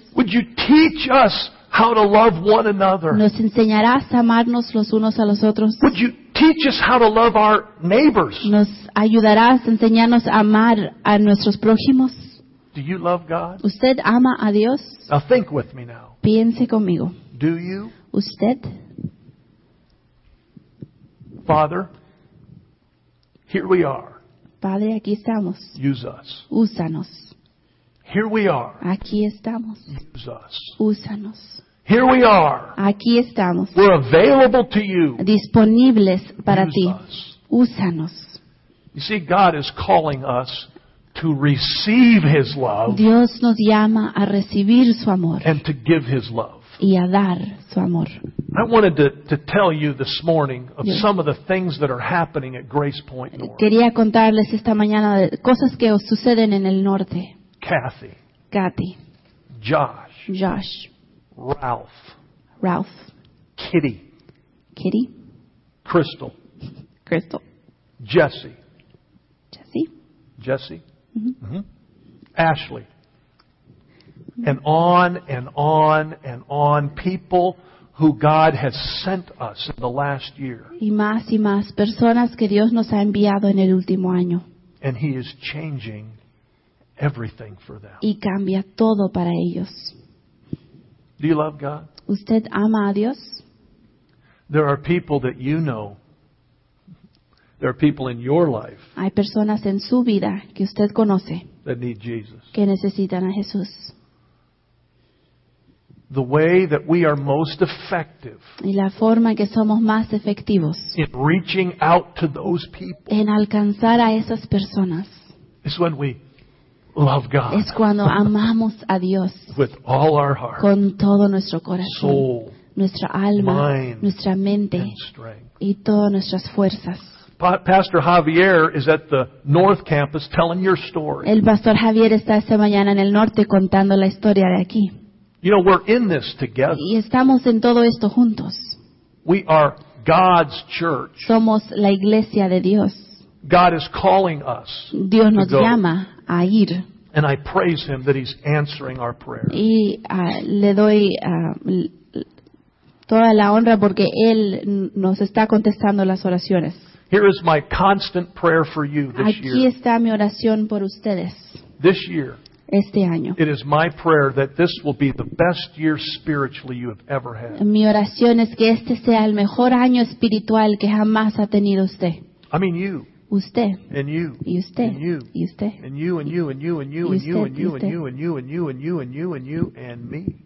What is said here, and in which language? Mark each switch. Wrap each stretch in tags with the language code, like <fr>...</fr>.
<en>Would you teach us how to love one another?</en> <es>¿Nos enseñarás a amarnos los unos a los otros?</es> <en>Would you teach us how to love our neighbors?</en> <es>¿Nos ayudarás a enseñarnos a amar a nuestros prójimos?</es> <en>Do you love God?</en> <es>¿Usted ama a Dios?</es> <en>Now think with me now.</en> <es>Piense conmigo.</es> <en>Do you?</en> <es>¿Usted?</es> <en>Father, here we are.</en> <es>Padre, aquí estamos.</es> <en>Use us.</en> <es>Úsanos.</es> <en>Here we are.</en> <es>Aquí estamos.</es> <en>Use us.</en> <es>Úsanos.</es> <en>Here we are.</en> <es>Aquí estamos.</es> <en>We're available to you.</en> <es>Disponibles para</es> <en>use</en> <es>ti.</es> <en>Us.</en> <es>Úsanos.</es> <en>You see, God is calling us to receive His love.</en> <es>Dios nos llama a recibir su amor.</es> <en>And to give His love.</en> <es>Y a dar su amor.</es> <en>I wanted to tell you this morning of yes. some of the things that are happening at Grace Point North.</en> <es>Quería contarles esta mañana de cosas que suceden en el norte.</es> <en>Kathy. Josh. Ralph. Kitty. Crystal. Jesse. Mm-hmm. Mm-hmm. Ashley. Mm-hmm. And on and on and on. People who God has sent us in the last year.</en> <es>Y más y más personas que Dios nos ha enviado en el último año.</es> <en>And He is changing everything for them.</en> <es>Y cambia todo para ellos.</es> <en>Do you love God?</en> <es>¿Usted ama a Dios?</es> <en>There are people that you know. There are people in your life.</en> <es>Hay personas en su vida que usted conoce.</es> <en>That need Jesus.</en> <es>Que necesitan a Jesús.</es> <en>The way that we are most effective.</en> <es>Y la forma en que somos más efectivos.</es> <en>In reaching out to those people.</en> <es>En alcanzar a esas personas.</es> <en>Is when we love God.</en> <es>Es cuando amamos a Dios.</es> <en>With all our heart.</en> <es>Con todo nuestro corazón.</es> <en>Soul.</en> <es>Nuestra alma.</es> <en>Mind.</en> <es>Nuestra mente.</es> <en>And strength.</en> <es>Y todas nuestras fuerzas.</es> <en>Pastor Javier is at the North Campus telling your story.</en> <es>El Pastor Javier está esta mañana en el norte contando la historia de aquí.</es> <en>You know, we're in this together.</en> <es>Y estamos en todo esto juntos.</es> <en>We are God's church.</en> <es>Somos la iglesia de Dios.</es> <en>God is calling us.</en> <es>Dios nos llama a ir.</es> <en>And I praise Him that He's answering our prayers.</en> <es>Y le doy toda la honra porque Él nos está contestando las oraciones.</es> <en>Here is my constant prayer for you this</en> <es>aquí</es> <en>year.</en> <es>Aquí está mi oración por ustedes.</es> <en>This year.</en> <es>Este año.</es> <en>It is my prayer that this will be the best year spiritually you have ever had.</en> <es>Mi oración es que este sea el mejor año espiritual que jamás ha tenido usted.</es> <en>I mean you.</en> <es>Usted.</es> <en>And you.</en> <es>Y usted.</es> <en>And you.</en> <es>Y usted.</es> <en>And you and you and you and you and you and you and you and you and you and you and you and you and me.</en>